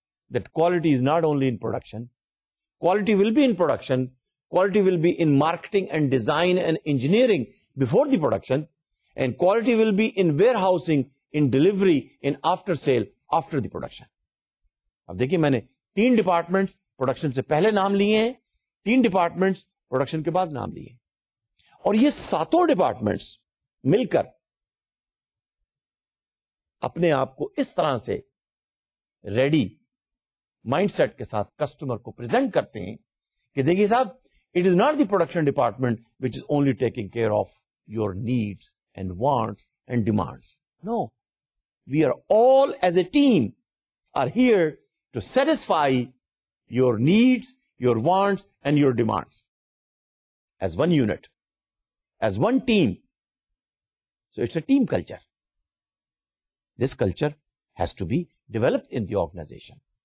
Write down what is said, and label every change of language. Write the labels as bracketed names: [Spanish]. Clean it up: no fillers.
[English] That quality is not only in production. Quality will be in production. Quality will be in marketing and design and engineering before the production. And quality will be in warehousing, in delivery, in after sale, after the production. [Urdu] Ab dekhiye, maine teen departments production se pehle naam liye hain, teen departments production کے بعد نام لیے، اور یہ ساتوں departments مل کر اپنے آپ کو اس طرح سے ریڈی مائنڈ سیٹ کے ساتھ کسٹمر کو پریزنٹ کرتے ہیں کہ دیکھیے صاحب، [English] It is not the production department which is only taking care of your needs and wants and demands. No, we are all as a team are here to satisfy your needs, your wants and your demands as one unit, as one team. So it's a team culture. This culture has to be developed in the organization.